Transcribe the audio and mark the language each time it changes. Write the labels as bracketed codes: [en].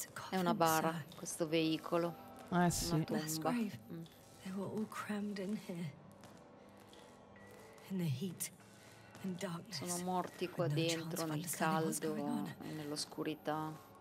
[it] È una bara, questo veicolo. Ah, sì. Una tomba. [en] They were all crammed in here. In the heat. [it] Sono morti qua dentro, nel caldo e nell'oscurità.